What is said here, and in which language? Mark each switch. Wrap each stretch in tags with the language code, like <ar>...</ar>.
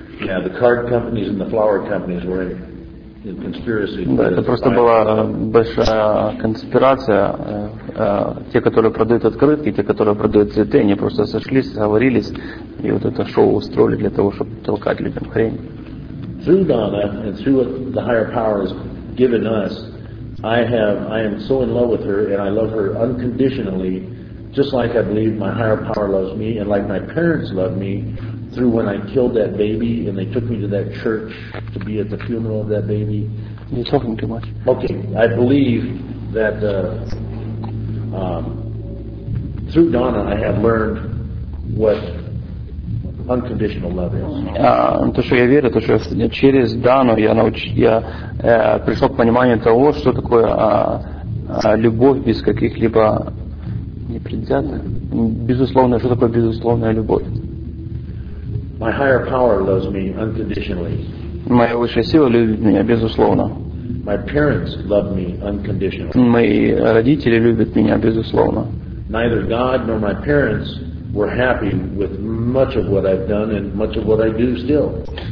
<en>Yeah, the card companies and the flower companies were in.</en> <ru>Да, это просто была большая конспирация. Те, которые продают открытки, те, которые продают цветы, они просто сошлись, сговорились, и вот это шоу устроили для того, чтобы толкать людям хрень.</ru> <en>Through Donna and through what the higher power has given us, I am so in love with her, and I love her unconditionally, just like I believe my higher power loves me, and like my parents love me. Through when I killed that baby and they took me to that church to be at the funeral of that baby. You're talking too much. Okay, I believe that through Donna I have learned what unconditional love is.</en> <ru>То, что я верю, то, что я через Дану я пришел к пониманию того, что такое любовь без каких-либо непредвзятых, безусловная, что такое безусловная любовь.</ru> <en>My higher power loves me unconditionally.</en> <ru>Моя высшая сила любит меня безусловно.</ru> <en>My parents love me unconditionally.</en> <ru>Мои родители любят меня безусловно.</ru> <en>Neither God nor my parents were happy with much of what I've done and much of what I do still.</en>